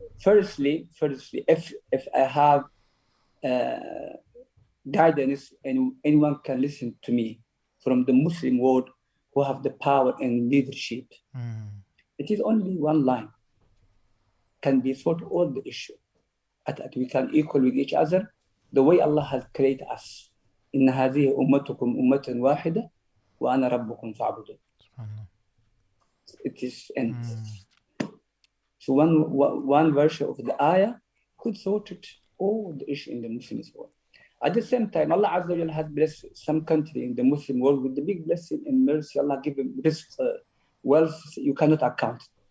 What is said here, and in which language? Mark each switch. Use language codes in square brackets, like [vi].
[en] Firstly, if I have guidance and anyone can listen to me from the Muslim world who have the power and leadership, it is only one line can be sorted all the issue. That we can equal with each other, the way Allah has created us. [ar] In هذه أمتكم أمة واحدة وأنا ربكم فاعبدون. [en] it is endless. So one version of the ayah could sort it all the issue in the Muslim world. At the same time, Allah Azza wa Jalla has blessed some country in the Muslim world with the big blessing and mercy. Allah give him risk, wealth you cannot account.